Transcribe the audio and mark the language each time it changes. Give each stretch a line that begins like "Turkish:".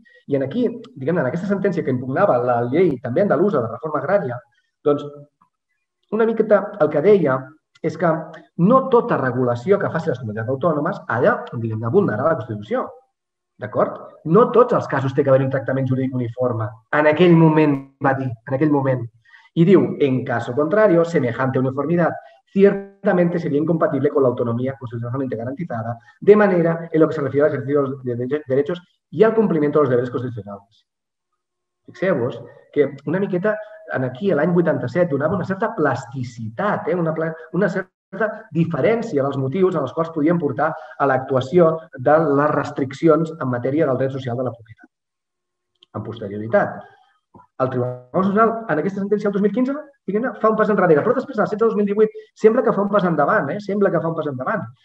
Catalan: I aquí, diguem-ne, en aquesta sentència que impugnava la llei també andalusa de reforma agrària, doncs, una miqueta el que deia és que no tota regulació que faci les comunitats autònomes ha de, diguem-ne, vulnerar la Constitució. D'acord? No tots els casos té que haver un tractament jurídic uniforme. En aquell moment, va dir, en aquell moment. I diu,
Spanish: en caso contrario, semejante uniformidad, ciertamente sería incompatible con la autonomía constitucionalmente garantizada, de manera en lo que se refiere al ejercicio de derechos y al cumplimiento de los deberes constitucionales.
Catalan: Fixeu-vos que una miqueta, aquí, l'any 87, donava una certa plasticitat, una certa diferència dels motius en els quals podien portar a l'actuació de les restriccions en matèria del dret social de la propietat. En posterioritat, el Tribunal Constitucional, en aquesta sentència del 2015, diguem-ne, fa un pas enrere, però després, el 16 de 2018, sembla que fa un pas endavant, sembla que fa un pas endavant.